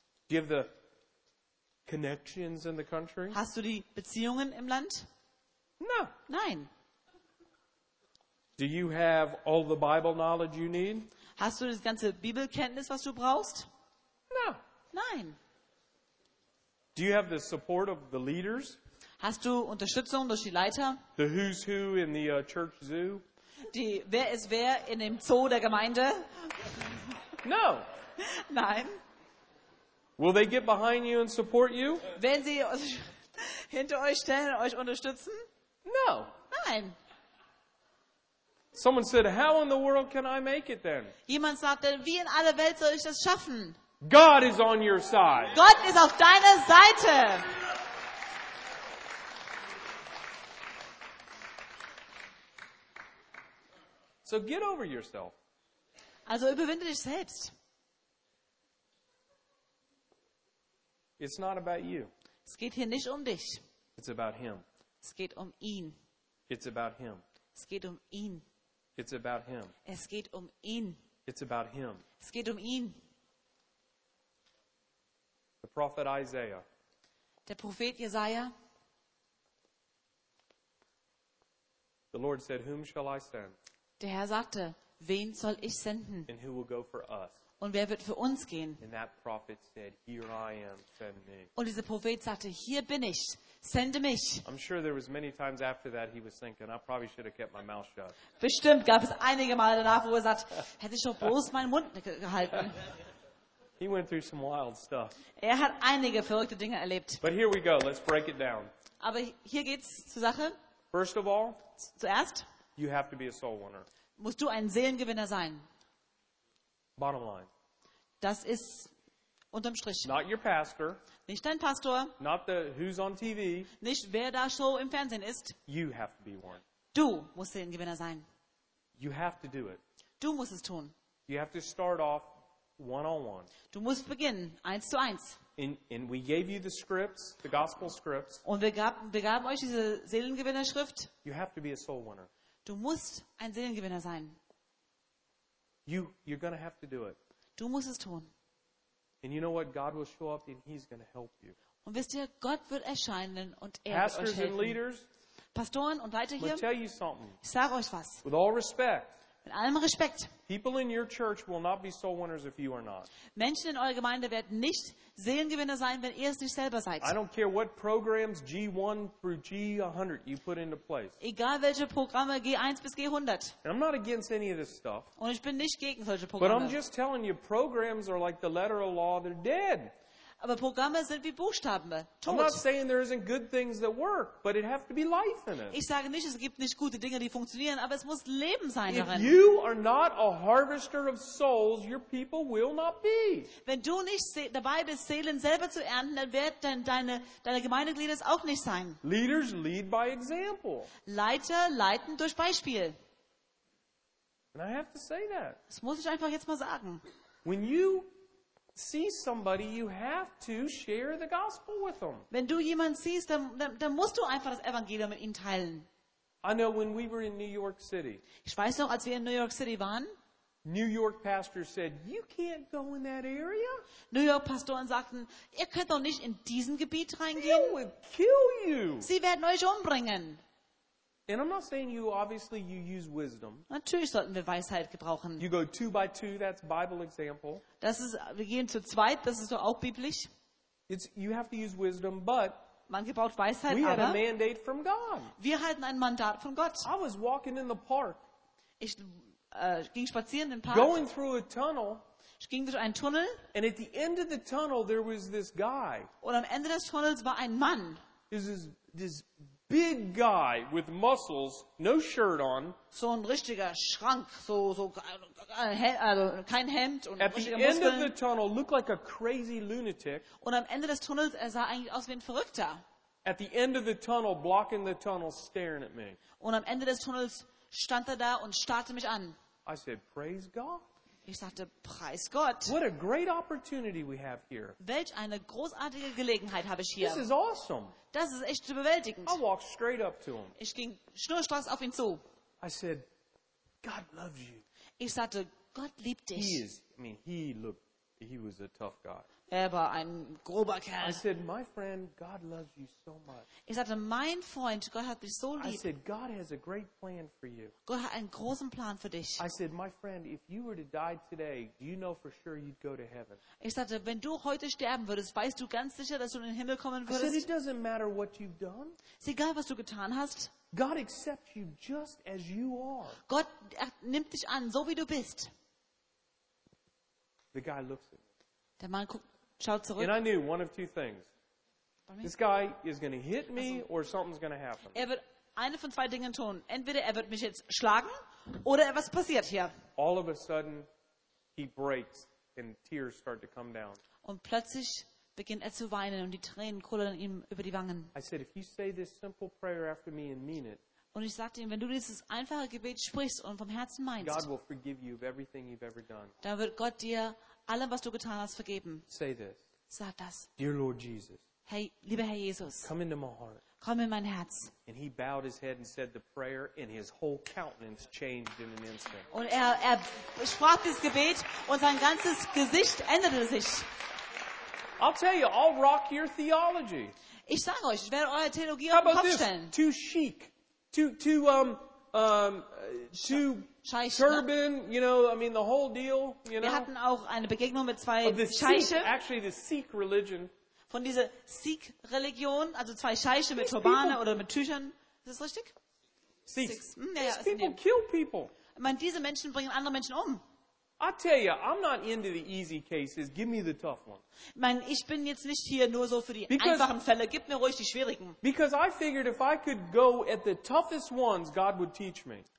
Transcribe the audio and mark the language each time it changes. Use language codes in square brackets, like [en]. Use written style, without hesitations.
[en] Do you have the connections in the country? [de] Hast du die Beziehungen im Land? [en] No. [de] Nein. [en] Do you have all the Bible knowledge you need? [de] Hast du das ganze Bibelkenntnis, was du brauchst? [en] No. [de] Nein. [en] Do you have the support of the leaders? [de] Hast du Unterstützung durch die Leiter? [en] The who's who in the church zoo? [de] Die wer ist wer in dem Zoo der Gemeinde? [en] No. [de] Nein. [en] Will they get behind you and support you? [de] Werden sie hinter euch stehen und euch unterstützen? [en] No. [de] Nein. [en] Someone said, "How in the world can I make it then?" [de] Jemand sagte, wie in aller Welt soll ich das schaffen? [en] God is on your side. [de] Gott ist auf deiner Seite. [en] So get over yourself. [de] Also überwinde dich selbst. [en] It's not about you. [de] Es geht hier nicht um dich. [en] It's about him. [de] Es geht um ihn. [en] It's about him. [de] Es geht um ihn. [en] It's about him. [de] Es geht um ihn. [en] It's about him. [de] Es geht um ihn. [en] The prophet Isaiah. [de] Der Prophet Jesaja. [en] The Lord said, "Whom shall I send?" [de] Der Herr sagte, wen soll ich senden? [en] And who will go for us? [de] Und wer wird für uns gehen? [en] And that prophet said, "Here I am, send me." [de] Und dieser Prophet sagte, hier bin ich, sende mich. [en] I'm sure there was many times after that he was thinking, I probably should have kept my mouth shut. [de] Bestimmt gab es einige Male danach, wo er sagt, hätte ich doch bloß meinen Mund gehalten. [en] He went through some wild stuff. [de] Er hat einige verrückte Dinge erlebt. [en] But here we go. Let's break it down. [de] Aber hier geht's zur Sache. [en] First of all, [de] zuerst, [en] you have to be a soul winner. [de] Musst du ein Seelengewinner sein. [en] Bottom line. [de] Das ist unterm Strich. [en] Not your pastor. [de] Nicht dein Pastor. [en] Not the who's on TV. [de] Nicht wer da so im Fernsehen ist. [en] You have to be one. [de] Du musst Seelengewinner sein. [en] You have to do it. [de] Du musst es tun. [en] You have to start off one-on-one. [de] Du musst beginnen, eins zu eins. [en] And we gave you the scripts, the gospel scripts. [de] Und wir gaben euch diese Seelengewinner-Schrift. [en] You have to be a soul winner. [de] Du musst ein Seelengewinner sein. [en] You're going to have to do it. [de] Du musst es tun. [en] And you know what? God will show up and he's going to help you. [de] Und wisst ihr, Gott wird erscheinen und er [en] Pastors [de] wird euch helfen. [en] And leaders, [de] Pastoren und Leiter hier, [en] tell you something. [de] Ich sage euch was. [en] With all respect. [de] Mit allem Respekt. [en] People in your church will not be soul winners if you are not. [de] Menschen in eurer Gemeinde werden nicht Seelengewinner sein, wenn ihr es nicht selber seid. [en] I don't care what programs G1 through G100 you put into place. [de] Egal welche Programme G1 bis G100. [en] And I'm not against any of this stuff. [de] Und ich bin nicht gegen solche Programme. [en] But I'm just telling you, programs are like the letter of law, they're dead. [de] Aber Programme sind wie Buchstaben, tot. [en] I'm not saying there isn't good things that work, but it has to be life in it. [de] Ich sage nicht, es gibt nicht gute Dinge, die funktionieren, aber es muss Leben sein darin. [en] If you are not a harvester of souls, your people will not be. [de] Wenn du nicht dabei bist, Seelen selber zu ernten, dann wird dann deine Gemeindeglieder es auch nicht sein. [en] Leaders lead by example. [de] Leiter leiten durch Beispiel. [en] And I have to say that. [de] Das muss ich einfach jetzt mal sagen. [en] When you see somebody, you have to share the gospel with them. [de] Wenn du jemanden siehst, dann musst du einfach das Evangelium mit ihnen teilen. [en] I know when we were in New York City. [de] Ich weiß noch, als wir in New York City waren. [en] New York pastors said, "You can't go in that area." [de] New York Pastoren sagten, ihr könnt doch nicht in diesen Gebiet reingehen. [en] They would kill you. [de] Sie werden euch umbringen. [en] And I'm not saying you obviously you use wisdom. [de] Natürlich sollten wir Weisheit gebrauchen. [en] You go two by two, that's Bible example. [de] Das ist, wir gehen zu zweit, das ist doch auch biblisch. [en] It's you have to use wisdom, but [de] man gebraucht Weisheit, [en] we [de] aber [en] had a mandate from God. [de] Wir hatten ein Mandat von Gott. [en] I was walking in the park. [de] Ich ging spazieren im Park. [en] Going through a tunnel. [de] Ich ging durch einen Tunnel. [en] And at the end of the tunnel there was this guy. [de] Und am Ende des Tunnels war ein Mann. [en] This big guy with muscles, no shirt on. [de] So ein richtiger Schrank, so also kein Hemd und [en] at [de] richtige [en] the [de] Muskeln. [en] End of the tunnel looked like a crazy lunatic. [de] Und am Ende des Tunnels er sah eigentlich aus wie ein Verrückter. [en] At the end of the tunnel blocking the tunnel staring at me. [de] Und am Ende des Tunnels stand er da und starrte mich an. [en] I said, praise God. [de] Ich sagte, preis Gott. [en] What a great opportunity we have here. [de] Welch eine großartige Gelegenheit habe ich hier. [en] This is awesome. [de] Das ist echt überwältigend. [en] I walked straight up to him. [de] Ich ging schnurstracks auf ihn zu. [en] I said, God loves you. [de] Ich sagte, Gott liebt dich. [en] He was a tough guy. [de] Er war ein grober Kerl. [en] I said, my friend, God loves you so much. [de] Ich sagte, mein Freund, Gott hat dich so lieb. [en] I said, God has a great plan for you. [de] Gott hat einen großen Plan für dich. [en] I said, my friend, if you were to die today, do you know for sure you'd go to heaven? [de] Ich sagte, wenn du heute sterben würdest, weißt du ganz sicher, dass du in den Himmel kommen würdest? [en] I said, it doesn't matter what you've done. [de] Es ist egal, was du getan hast. [en] God accepts you just as you are. [de] Gott nimmt dich an, so wie du bist. [en] The guy looks at me. [de] Der Mann guckt. Schau zurück. [en] And I knew one of two things. This guy is going to hit me or something's going to happen. [de] Er wird eine von zwei Dingen tun. Entweder er wird mich jetzt schlagen oder was passiert hier. [en] All of a sudden he breaks and tears start to come down. [de] Und plötzlich beginnt er zu weinen und die Tränen kullern ihm über die Wangen. [en] I said, if you say this simple prayer after me and mean it. [de] Und ich sagte ihm, wenn du dieses einfache Gebet sprichst und vom Herzen meinst. [en] God will forgive you of everything you've ever done. [de] Dann wird Gott dir allem, was du getan hast, vergeben. [en] Say this. [de] Sag das. [en] Dear Lord Jesus. [de] Hey, lieber Herr Jesus. [en] Come into my heart. [de] Komm in mein Herz. [en] And he bowed his head and said the prayer, and his whole countenance changed in an instant. [de] Und er sprach das Gebet und sein ganzes Gesicht änderte sich. [en] I'll tell you, I'll rock your theology. [de] Ich sage euch, ich werde eure Theologie auf den Kopf stellen. [en] Too chic, too Scheichen. You know, I mean, the whole deal, you know. [de] Wir hatten auch eine Begegnung mit zwei Scheichen. [en] Actually, the Sikh religion. [de] Von dieser Sikh-Religion, also zwei Scheichen mit Turbane oder mit Tüchern. Ist das richtig? [en] Sikhs. [de] Sikhs. Ich meine, diese Menschen bringen andere Menschen um. [en] I tell you, I'm not into the easy cases. Give me the tough one. [de] Ich meine, ich bin jetzt nicht hier nur so für die einfachen Fälle. Gib mir ruhig die schwierigen. [en] Because I figured if I could go at the toughest ones, God would teach me.